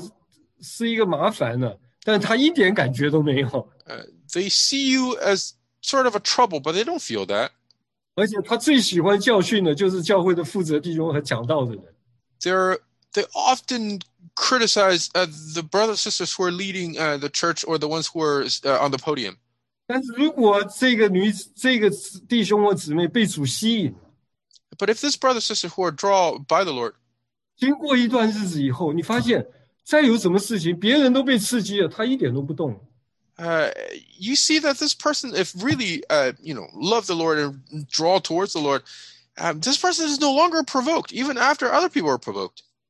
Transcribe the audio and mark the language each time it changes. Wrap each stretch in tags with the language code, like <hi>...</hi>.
<zh>别人都感觉你这样是一个麻烦的, 但他一点感觉都没有。</zh> <en>They see you as sort of a trouble, but they don't feel that.</en> <zh>而且他最喜欢教训的就是教会的负责弟兄和讲道的人。</zh> <en>They often criticize the brothers and sisters who are leading the church or the ones who are on the podium.</en> <zh>但是如果这个弟兄或姊妹被主吸引,</zh> <en>But if this brother or sister who are drawn by the Lord,</en> <zh>经过一段日子以后, 你发现再有什么事情, 别人都被刺激了, 他一点都不动。</zh> <en>You see that this person, if really, love the Lord and draw towards the Lord, this person is no longer provoked, even after other people are provoked.</en>